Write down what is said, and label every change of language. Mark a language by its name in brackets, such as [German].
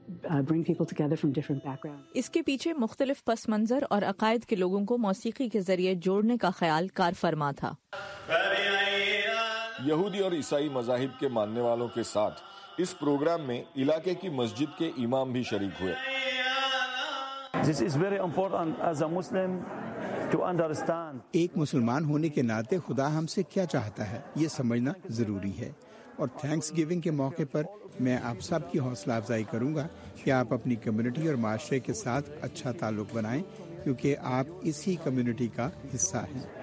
[Urdu] اس کے پیچھے مختلف پس منظر اور عقائد کے لوگوں کو موسیقی کے ذریعے جوڑنے کا خیال کار فرما تھا۔ یہودی اور عیسائی مذاہب کے ماننے والوں کے ساتھ اس پروگرام میں علاقے کی مسجد کے امام بھی شریک ہوئے۔ [English] This is very important as a Muslim to understand. [Urdu] ایک مسلمان ہونے کے ناطے خدا ہم سے کیا چاہتا ہے یہ سمجھنا ضروری ہے، اور تھینکس گیونگ کے موقع پر میں آپ سب کی حوصلہ افزائی کروں گا کہ آپ اپنی کمیونٹی اور معاشرے کے ساتھ اچھا تعلق بنائیں، کیونکہ آپ اسی کمیونٹی کا حصہ ہیں۔